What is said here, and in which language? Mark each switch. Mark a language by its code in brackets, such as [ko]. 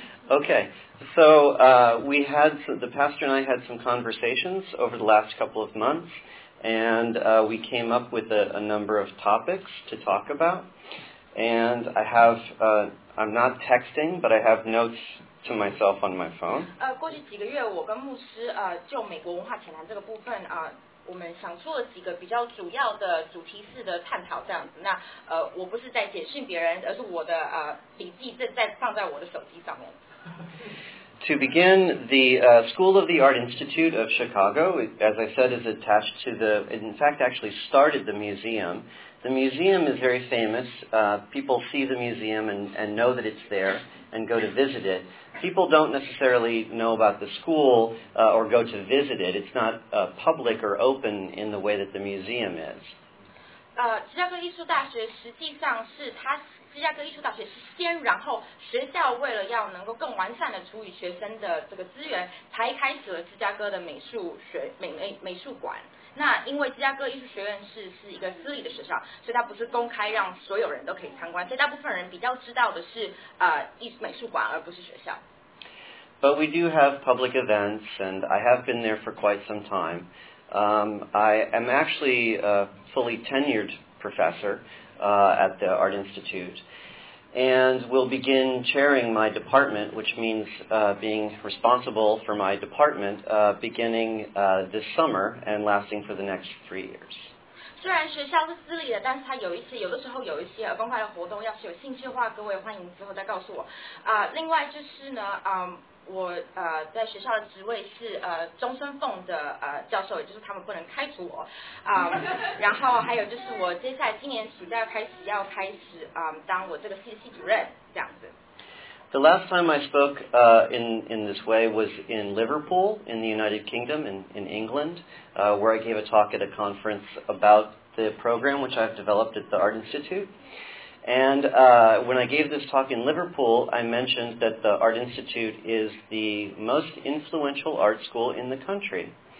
[en] Okay, so we had the pastor and I had some conversations over the last couple of months, and we came up with a number of topics to talk about. And I have, I'm not texting, but I have notes to myself on my phone. [zh] 过去几个月，我跟牧师就美国文化浅谈这个部分我们想做几个比较主要的主题式的探讨这样子。那我不是在简讯别人，而是我的笔记正在放在我的手机上面。 [en] To begin, the School of the Art Institute of Chicago, as I said, is attached to the, in fact, actually started the museum. The museum is very famous. People see the museum and know that it's there and go to visit it. People don't necessarily know about the school or go to visit it. It's not public or open in the way that the museum is. [zh] 芝加哥艺术大学实际上是它芝加哥艺术大学是先，然后学校为了要能够更完善的处理学生的这个资源，才开始了芝加哥的美术学美术馆。那因为芝加哥艺术学院是一个私立的学校，所以它不是公开让所有人都可以参观，所以大部分人比较知道的是美术馆而不是学校。 [en] But we do have public events, and I have been there for quite some time. I am actually a fully tenured professor at the Art Institute and will begin chairing my department, which means being responsible for my department beginning this summer and lasting for the next 3 years. [zh] 虽然学校是私立的，但是它有的时候有一些公开的活动，要是有兴趣的话，各位欢迎之后再告诉我。另外就是呢，我在学校的职位是终身俸的教授，也就是他们不能开除我。然后还有就是我接下来今年暑假要开始当我这个系主任这样子。 [en] The last time I spoke in this way was in Liverpool in the United Kingdom in England, where I gave a talk at a conference about the program which I've developed at the Art Institute. And when I gave this talk in Liverpool, I mentioned that the Art Institute is the most influential art school in the country.